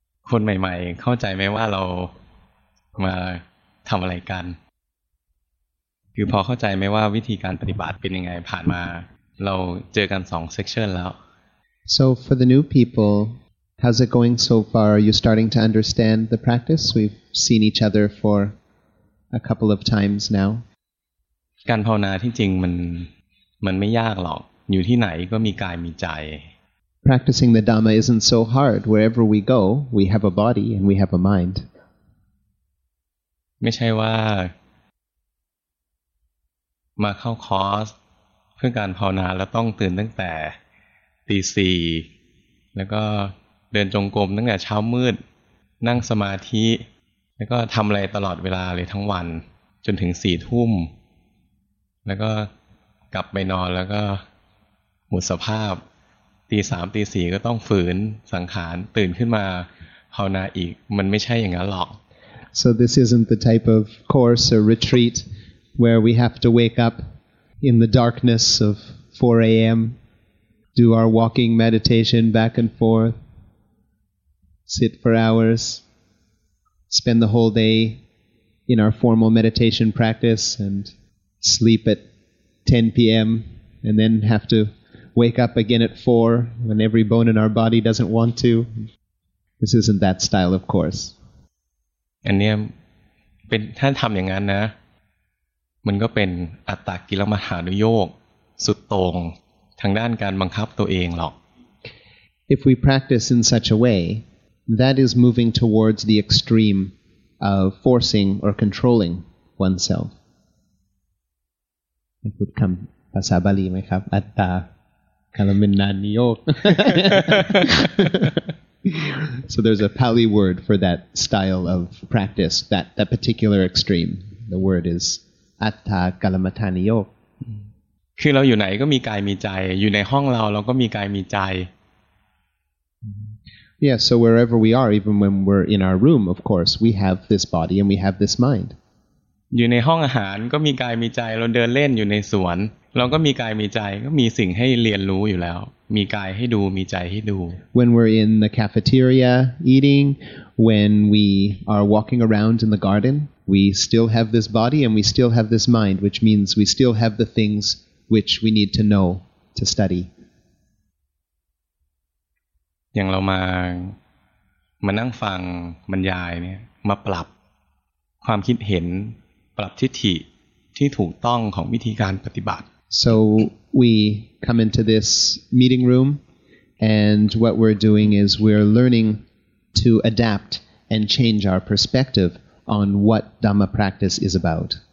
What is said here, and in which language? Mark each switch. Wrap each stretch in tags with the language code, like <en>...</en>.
<th>คนใหม่ๆเข้าใจไหมว่าเรามาทำอะไรกันคือพอเข้าใจไหมว่าวิธีการปฏิบัติเป็นยังไงผ่านมาเราเจอกันสองเซ็กชันแล้ว</th> <en>So for the new people, how's it going so far? Are you starting to understand the practice? We've seen each other for a couple of times now.</en> <th>การภาวนาที่จริงมันไม่ยากหรอกอยู่ที่ไหนก็มีกายมีใจ</th> <en>Practicing the Dhamma isn't so hard. Wherever we go, we have a body and we have a mind.</en> <th>ไม่ใช่ว่ามาเข้าคอร์สเพื่อการภาวนาแล้วต้องตื่นตั้งแต่ตีสี่แล้วก็เดินจงกรมตั้งแต่เช้ามืดนั่งสมาธิแล้วก็ทำอะไรตลอดเวลาเลยทั้งวันจนถึงสี่ทุ่มแล้วก็กลับไปนอนแล้วก็หมดสภาพตีสามตีสี่ก็ต้องฝืนสังขารตื่นขึ้นมาภาวนาอีกมันไม่ใช่อย่างนั้นหรอก</th> <en>So this isn't the type of course or retreat where we have to wake up in the darkness of 4 a.m. do our walking meditation back and forth sit for hours spend the whole day in our formal meditation practice andSleep at 10 p.m. and then have to wake up again at 4 when every bone in our body doesn't want to. This isn't that style, of course.</en> <th>อันนี้เป็นถ้าทำอย่างนั้นนะมันก็เป็นอัตตกิลมหานุโยคสุดตรงทางด้านการบังคับตัวเองหรอก</th> <en>If we practice in such a way, that is moving towards the extreme of forcing or controlling oneself.</en> <th>เป็นพูดคำภาษาบาลีไหมครับอัตตาคาลมินานิโยค</th> <en>So there's a Pali word for that style of practice that particular extreme the word is อัตตาคาลมทานิโยค</en> <th>คือเราอยู่ไหนก็มีกายมีใจอยู่ในห้องเราเราก็มีกายมีใจ</th> <en>Yeah so wherever we are even when we're in our room of course we have this body and we have this mind</en> <th>อยู่ในห้องอาหารก็มีกายมีใจเราเดินเล่นอยู่ในสวนเราก็มีกายมีใจก็มีสิ่งให้เรียนรู้อยู่แล้วมีกายให้ดูมีใจให้ดู</th> <en>When we're in the cafeteria eating when we are walking around in the garden we still have this body and we still have this mind which means we still have the things which we need to know to study</en> <th>อย่างเรามานั่งฟังบรรยายเนี่ยมาปรับความคิดเห็นปรับทิฏฐิที่ถูกต้องของวิธีการปฏิบัติ</th> <en>So we come into this meeting room and what we're doing is we're learning to adapt and change our perspective on what Dhamma practice is about</en>